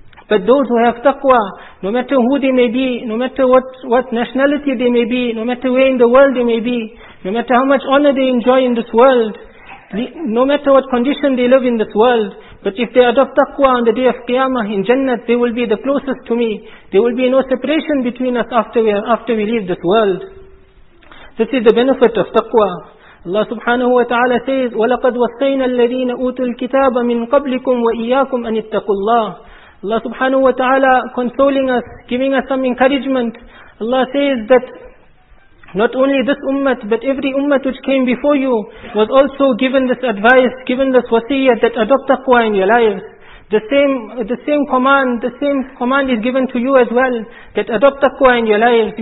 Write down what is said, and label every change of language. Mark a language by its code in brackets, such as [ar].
[en] But those who have taqwa, no matter who they may be, no matter what nationality they may be, no matter where in the world they may be, no matter how much honor they enjoy in this world, no matter what condition they live in this world, But if they adopt taqwa on the day of Qiyamah in Jannah, they will be the closest to me. There will be no separation between us after we leave this world. This is the benefit of taqwa. Allah subhanahu wa ta'ala says, [ar] وَلَقَدْ وَصَّيْنَا الَّذِينَ أُوتُوا الْكِتَابَ مِنْ قَبْلِكُمْ وَإِيَّاكُمْ أَنِ اتَّقُوا اللَّهِ. [en] Allah subhanahu wa ta'ala consoling us, giving us some encouragement. Allah says that not only this ummah, but every ummah which came before you was also given this advice, given this wasiyah that adopt taqwa in your lives. The same command is given to you as well, that adopt taqwa in your lives.